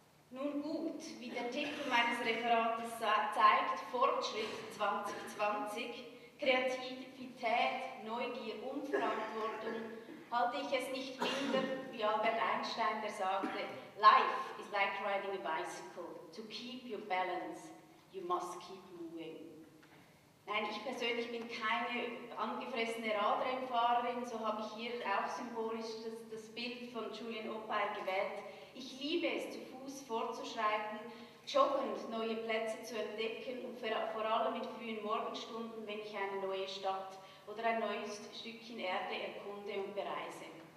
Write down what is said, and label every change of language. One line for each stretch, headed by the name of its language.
German: Nun gut, wie der Titel meines Referates zeigt, Fortschritt 2020, Kreativität, Neugier und Verantwortung, halte ich es nicht minder, wie Albert Einstein, der sagte,
English: Life is like riding a bicycle. To keep your balance, you must keep moving.
German: Nein, ich persönlich bin keine angefressene Radrennfahrerin, so habe ich hier auch symbolisch das Bild von Julian Opeil gewählt. Ich liebe es, zu Fuß vorzuschreiten, joggend neue Plätze zu entdecken und vor allem in frühen Morgenstunden, wenn ich eine neue Stadt oder ein neues Stückchen Erde erkunde und bereise.